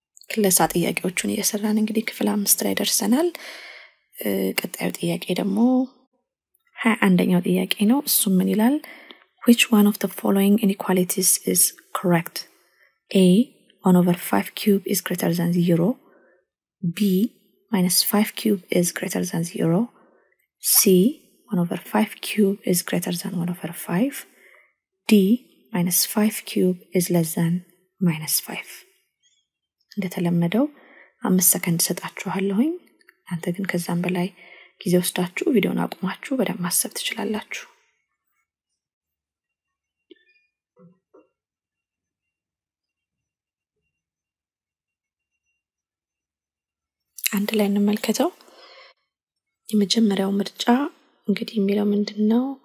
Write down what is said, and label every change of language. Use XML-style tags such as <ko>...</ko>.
<am>ክለሳ ጥያቄዎቹን እየሰራን እንግዲህ ክፍል 5 ላይ ደርሰናል። ቀጣዩ ጥያቄ ደግሞ 21ኛው ጥያቄ ነው። እሱ ምን ይላል?</am> <en>Which one of the following inequalities is correct? A 1 over 5 cube is greater than 0. B minus 5 cube is greater than 0. C 1 over 5 cube is greater than 1 over 5. D minus 5 cube is less than minus 5.</en> <am>እንደተለመደው 5 ሰከንድ ሰጣችኋለሁኝ። አንተ ግን ከዛም በላይ ጊዜ ወስዳችሁ ቪዲዮውን አቁማችሁ በደንብ ማሰብ ትችላላችሁ። አንድ ላይ እንመልከተው። የመጀመሪያው ምርጫ እንግዲህ የሚለው ምንድነው?</am>